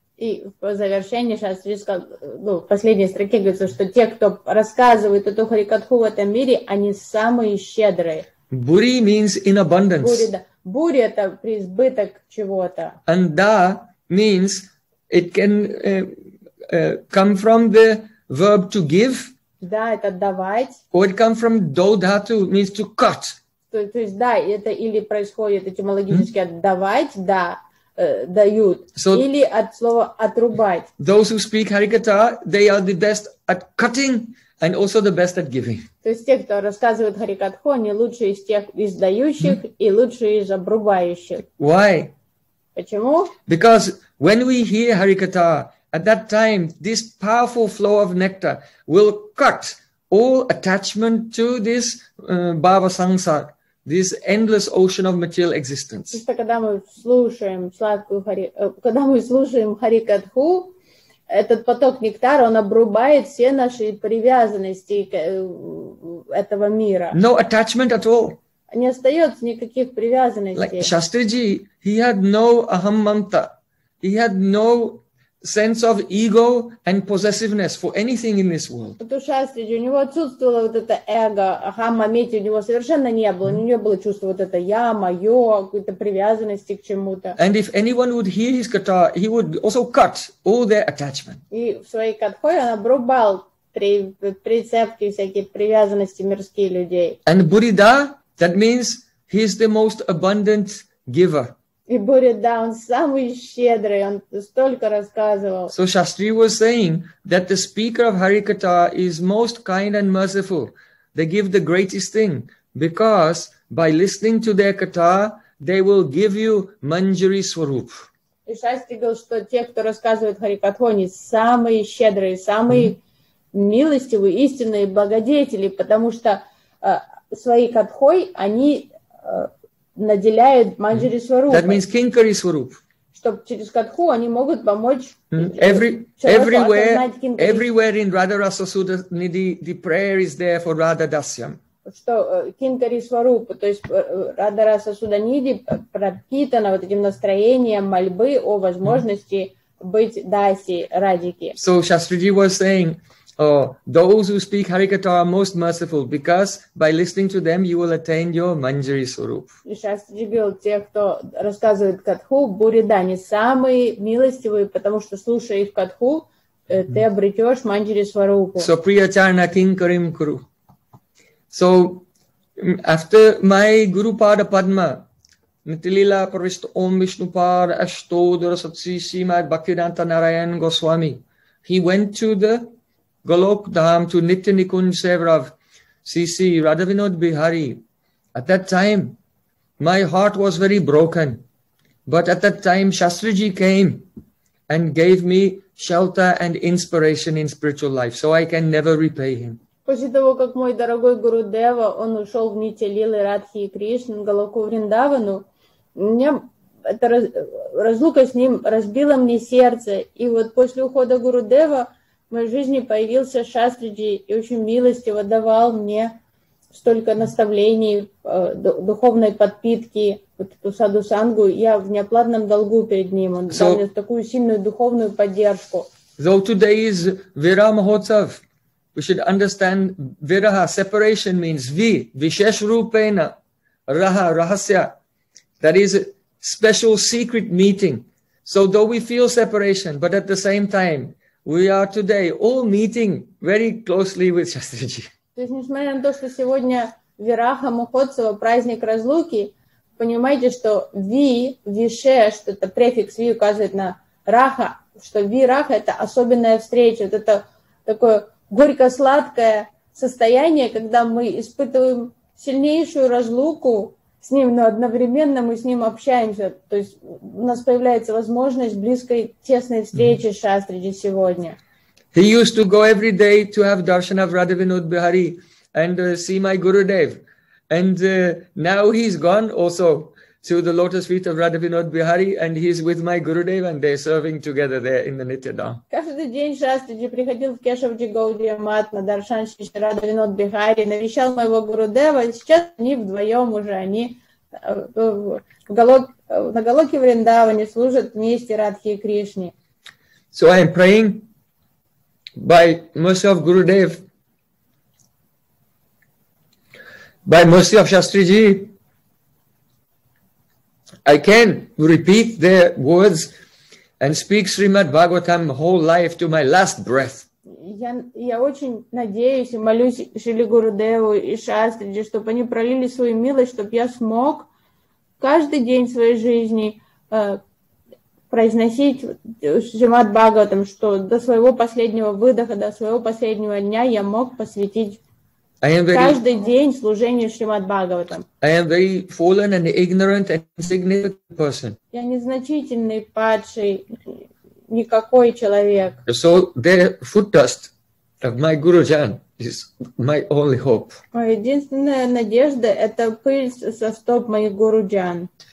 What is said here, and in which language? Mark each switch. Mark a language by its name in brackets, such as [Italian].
[Russian] И по завершении Шастриджи сказал, ну, в последней строке говорится, что те, кто рассказывает эту харикатху в этом мире, они самые щедрые. [English] Buri means in abundance. [Russian] Бури это преизбыток чего-то. [English] And da means it can come from the verb to give. [Russian] Да, это давать. [English] Or it comes from додату, means to cut. [Russian] То есть да, это или происходит этимологически от давать, да, дают, so, или от слова отрубать. [English] Those who speak Harikata, they are the best at cutting and also the best at giving. [Russian] То есть те, кто рассказывает Харикатху, они лучше из тех из дающих и лучше из обрубающих. [English] Why? [Russian] Почему? [English] Because when we hear Harikata, at that time, this powerful flow of nectar will cut all attachment to this bhava sangsar, this endless ocean of material existence. [Russian] Просто когда мы слушаем сладкую когда мы слушаем Харикатху, этот поток нектара, он обрубает все наши привязанности к этого мира. [English] No attachment at all. [Russian] Не остается никаких привязанностей. [English] Like Shastriji, he had no aham mamta. He had no sense of ego and possessiveness for anything in this world. [Russian] Вот у Шастриджи, у него отсутствовало вот это эго, aham mamiti, у него совершенно не было. У него было чувство вот это я, мое, какой-то привязанности к чему-то. [English] And if anyone would hear his katha, he would also cut all their attachment. [Russian] И в своей катхой он обрубал прицепки, всякие привязанности мирские людей. [English] And Burida, that means he's the most abundant giver. [Russian] И Бурида, он самый щедрый, он столько рассказывал. [English] So Shastri was saying that the speaker of Harikata is most kind and merciful. They give the greatest thing because by listening to their kata, they will give you manjari swarup. [Russian] И Шасти говорил, что те, кто рассказывает Харикатхони, самые щедрые, самые милостивые, истинные благодетели, потому что свои катхой они наделяют манджари сварупой. [English] That means кинкари сваруп. [Russian] Что через катху они могут помочь. [English] Everywhere in Radha Rasa Sudha Nidhi, the prayer is there for Radha Dasyam. [Russian] Что кинкари сваруп, то есть Радха Раса Суда Ниди пропитана вот этим настроением мольбы о возможности быть даси радики. [English] So Shastriji was saying, those who speak Harikatha are most merciful because by listening to them you will attain your Manjari Swarup. [Russian] Shastriji говорил, те, кто рассказывает катху, буридани, самые милостивые, потому что слушая их катху, ты обретешь Манджари Сварупу. [English] So Priyacharna Kinkarim Kuru. So, after my Gurupada Padma, Nitilila Parvishta Om Vishnupada Ashtodara Satsi Srimad Bhaktivedanta Narayan Goswami, he went to the Golok Dham, to Nitya Nikunj Sevrav, C.C. Radhavinod Bihari. At that time, my heart was very broken. But at that time, Shastriji came and gave me shelter and inspiration in spiritual life, so I can never repay him. [Russian] После того, как мой дорогой Гуру Дева, он ушел в Нитья Лилы Радхи и Кришны, Голоку Вриндавану, разлука с ним разбила мне сердце. И вот после ухода Гуру Дева в моей жизни появился Шастриджи и очень милостиво давал мне столько наставлений, духовной подпитки, вот эту саду сангу. Я в неоплатном долгу перед ним. Он дал мне такую сильную духовную поддержку. [English] Though today is Vira Mahotsav, we should understand viraha, separation means vi, vishesh rupena, raha, rahasya. That is a special secret meeting. So though we feel separation, but at the same time, we are today all meeting very closely with Shastriji. [Russian] То есть, несмотря на то, что сегодня вираха Мухотсова, праздник разлуки, понимаете, что ви, вишеш, что это префикс ви указывает на раха, что ви, раха, это особенная встреча, вот это такое горько-сладкое состояние, когда мы испытываем сильнейшую разлуку с ним, но одновременно мы с ним общаемся. То есть у нас появляется возможность близкой, тесной встречи с Шастриджи сегодня. [English] He used to go every day to have darshan of Radha Vinod Bihari and see my Gurudev. And now he's gone also to the lotus feet of Radha Vinod Bihari, and he's with my Gurudev, and they're serving together there in the Nitya Dham. [Russian] Каждый день Шастриджи приходил в Кешавджи Гаудия Мат на Даршан Шри Радха Винод Бихари, навещал моего Гурудева, и сейчас они вдвоем уже, они на Голоке Вриндаване служат вместе Радхи и Кришне. [English] So I am praying by mercy of Gurudev, by mercy of Shastriji, I can repeat their words and speak Srimad Bhagavatam whole life to my last breath. [Russian] Я очень надеюсь и молюсь Шри Гуру Деву и Шастриджи, чтобы они пролили свою милость, чтобы я смог каждый день своей жизни произносить Шримад Бхагаватам, что до своего последнего выдоха, до своего последнего дня я мог посвятить каждый день служению Шримад Бхагаватам. [English] I am very fallen and ignorant and insignificant person. [Russian] Я незначительный, падший, никакой человек. [English] So the foot dust of my Gurujan is my only hope. [Russian] Моя единственная надежда — это пыль со стоп моих Гуруджан.